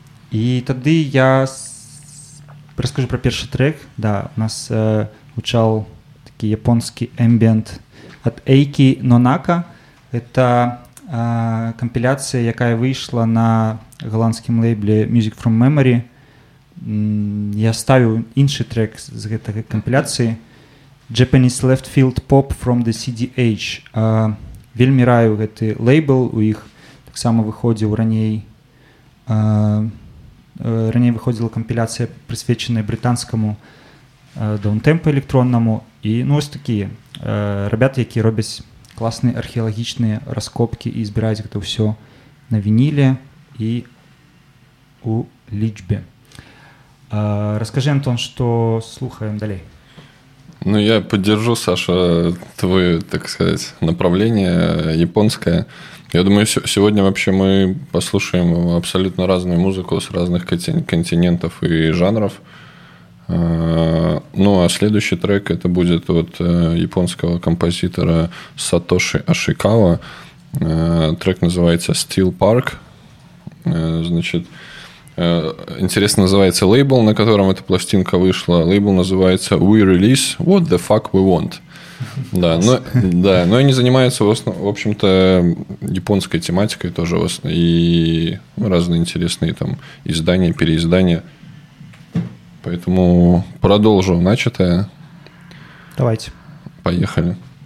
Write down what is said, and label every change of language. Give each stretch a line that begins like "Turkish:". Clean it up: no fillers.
Russian: И тогда я расскажу про первый трек.
Belarusian: Да, у нас гучал такі японскі эмбіент ад Эйкі Нонака. Гэта кампіляцыя, якая выйшла на галандскім лейбле Music From Memory. Я ставіў іншы трек з гэтага кампіляцыі.
English: Japanese Left Field Pop From The CDH.
Belarusian: Вельмі раю гэты лейбл, у іх таксама выходзіў раней. Раней выходзіла кампіляцыя, прысвечаная брытанскаму даунтемпу электроннаму, і ну, ось такі ребята, які робяць класныя археалагічныя раскопкі і збіраюць гэта ўсё на вініле і у лічбе. Раскажы, Антон, што слухаем далей. Ну, я падзяржу, Саша, твоё, так сказаць, направленне японскае.
Russian: Я думаю, сегодня вообще мы послушаем абсолютно разную музыку з разных континентов і жанров. Ну, а следующий трек это будет от японского композитора Сатоши Ашикава. Трек называется Steel Park. Значит, интересно, называется лейбл, на котором эта пластинка вышла. Лейбл называется We Release What The Fuck We Want. Да, но, да, но они занимаются, в общем-то, японской тематикой тоже. И разные интересные там издания, переиздания. Поэтому продолжу начатое. Давайте. Поехали.